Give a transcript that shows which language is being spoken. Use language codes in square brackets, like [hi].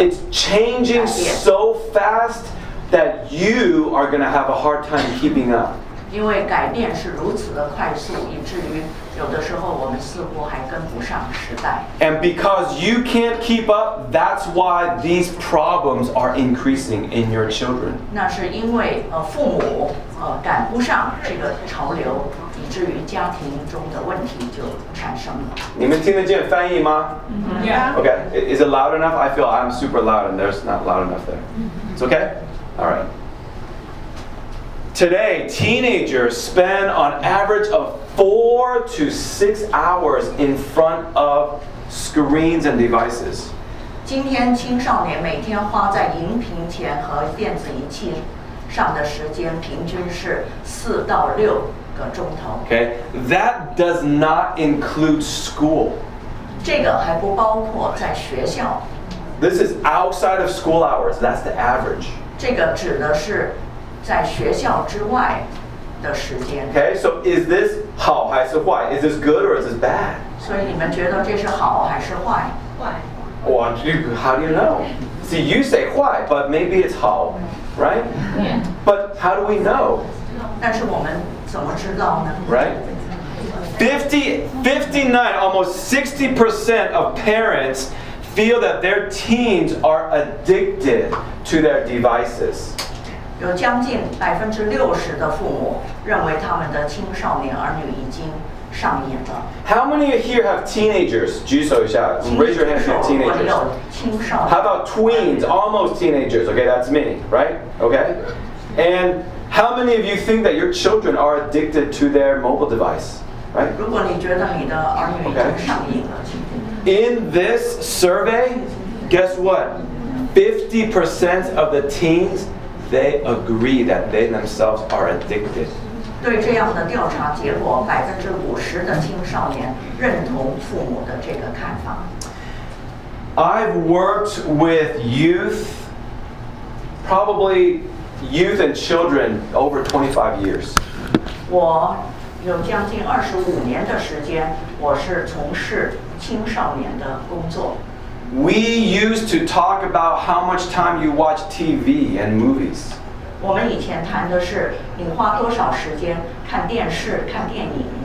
[en] It's changing so fast that you are going to have a hard time keeping up. [zh] 因为改变是如此的快速，以至于有的时候我们似乎还跟不上时代。 [en] And because you can't keep up, that's why these problems are increasing in your children. [zh] 那是因为父母赶不上这个潮流，以至于家庭中的问题就产生了。你们听得见翻译吗？ [en] Yeah. Okay. Is it loud enough? I feel I'm super loud, and there's not loud enough there. It's okay. All right. Today, teenagers spend on average of 4 to 6 hours in front of screens and devices. [zh] 今天青少年每天花在荧屏前和电子仪器上的时间平均是4到6个钟头。 [en] Okay, that does not include school. [zh] 这个还不包括在学校。 [en] This is outside of school hours. That's the average. [zh] 这个指的是在学校之外的时间。 [en] Okay, so is this [zh] 好还是坏 [en] Is this good or is this bad? [zh] 所以你们觉得这是好还是坏？坏。 [en] Well, how do you know? See, you say 坏, but maybe it's 好, right? Yeah. But how do we know? [zh] 但是我们怎么知道呢？ [en] Right? 59, almost 60% of parents feel that their teens are addicted to their devices. [zh] 有将近60%的父母认为他们的青少年儿女已经上瘾了。 [en] How many here have teenagers? [zh] 举手一下。 [en] Raise your hand if you have teenagers. [zh] 我有青少年。 [en] How about tweens? Almost teenagers. Okay, that's me, right? Okay. And how many of you think that your children are addicted to their mobile device? Right? [zh] 如果你觉得你的儿女已经上瘾了。 [en] In this survey, guess what? 50% of the teens. They agree that they themselves are addicted. [zh] 对这样的调查结果，50%的青少年认同父母的这个看法。 [en] I've worked with youth, probably youth and children over 25 years. [zh] 我有将近25年的时间，我是从事青少年的工作。 [en] We used to talk about how much time you watch TV and movies. [zh] 我们以前谈的是你花多少时间看电视、看电影。